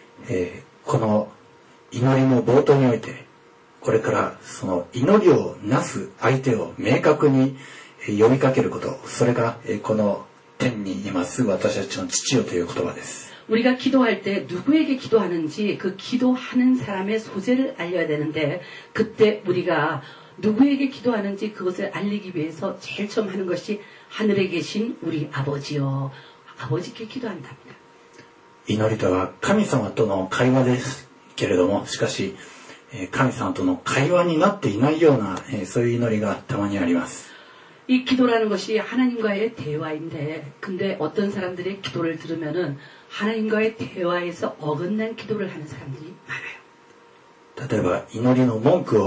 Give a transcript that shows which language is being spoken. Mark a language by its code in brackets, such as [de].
[ja] 祈りとは神様との会話ですけれども、この祈りの冒頭において、 これからその祈りをなす相手を明確に呼びかけること、それがこの天にいます私たちの父よという言葉です。 [ko] 우리가 기도할 때 누구에게 기도하는지 그 기도하는 사람의 소재를 알려야 되는데 그때 우리가 누구에게 기도하는지 그것을 알리기 위해서 제일 처음 하는 것이 하늘에 계신 우리 아버지요. 아버지께 기도한답니다. [ja] 祈りとは神様との会話ですけれども、しかし 神様との会話になっていないような、そういう祈りがたまにあります。 [ko] 이 기도라는 것이 하나님과의 대화인데 근데 어떤 사람들의 기도를 들으면은 하나님과의 대화에서 어긋난 기도를 하는 사람들이 많아요.